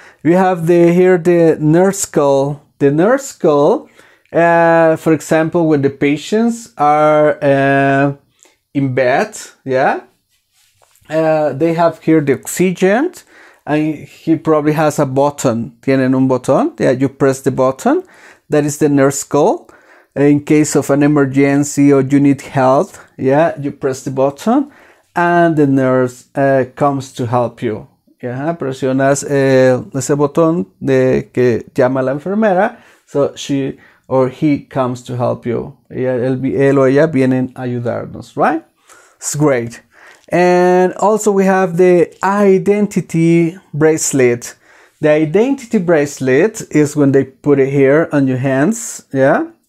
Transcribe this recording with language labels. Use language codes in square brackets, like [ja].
[en] We have the nurse call. The nurse call, for example, when the patients are in bed, yeah, they have here the oxygen, and he probably has a button. [es] Tienen un botón. [en] Yeah, you press the button. That is the nurse call. In case of an emergency or you need help, yeah, you press the button, and the nurse comes to help you. [es] Yeah, presionas ese botón de que llama la enfermera. [en] So she or he comes to help you. [es] Él o ella vienen a ayudarnos, [en] right? It's great. And also we have the identity bracelet. The identity bracelet is when they put it here on your hands, yeah?